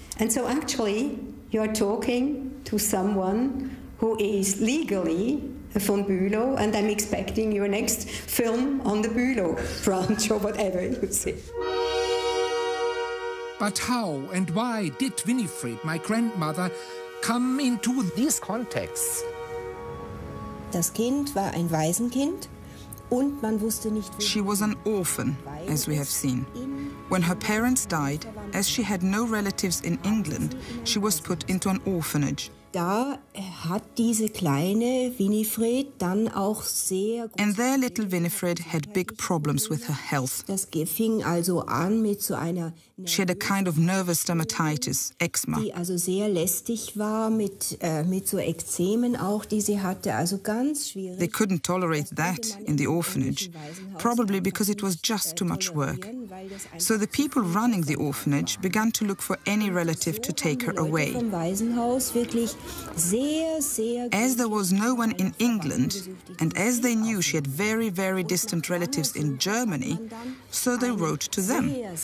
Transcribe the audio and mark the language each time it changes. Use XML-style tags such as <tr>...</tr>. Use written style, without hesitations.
<en>And so actually, you're talking to someone who is legally von Bülow, and I'm expecting your next film on the Bülow branch or whatever you say. But how and why did Winifred, my grandmother, come into these contexts?</en> <de>Das Kind war ein Waisenkind und man wusste nicht.</de> <en>She was an orphan, as we have seen. When her parents died, as she had no relatives in England, she was put into an orphanage.</en> <de>Da hat diese kleine Winifred dann auch sehr.</de> <en>And there little Winifred had big problems with her health.</en> <de>Das fing also an mit so einer.</de> <en>She had a kind of nervous dermatitis, eczema.</en> <de>Die also sehr lästig war mit so Ekzemen auch, die sie hatte, also ganz schwierig.</de> <en>They couldn't tolerate that in the orphanage, probably because it was just too much work. So the people running the orphanage began to look for any relative to take her away. As there was no one in England, and as they knew she had very, very distant relatives in Germany, so they wrote to them.</en>